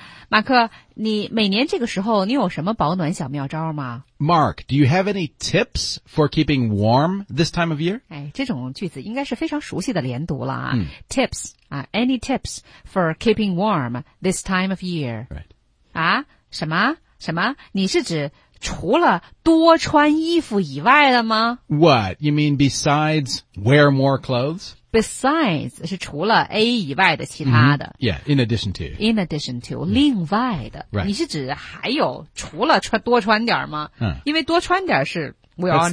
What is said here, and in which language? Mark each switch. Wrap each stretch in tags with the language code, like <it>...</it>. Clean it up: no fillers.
<zh>马克，你每年这个时候，你有什么保暖小妙招吗</zh> <en>？Mark, do you have any tips for keeping warm this time of year?</en> <zh>哎，这种句子应该是非常熟悉的连读了啊。</zh> <en>Tips, any tips for keeping warm this time of year? Right.</en> <zh>啊，什么什么？你是指除了多穿衣服以外的吗</zh> <en>？What you mean besides wear more clothes?</en> <zh>Besides 是除了 A 以外的其他的、</zh> <en>mm-hmm. Yeah, in addition to. In addition to,、mm-hmm.</en> <zh>另外的、</zh> <en>right. 你是指还有除了穿多穿点吗、因为多穿点是 we all know.</en>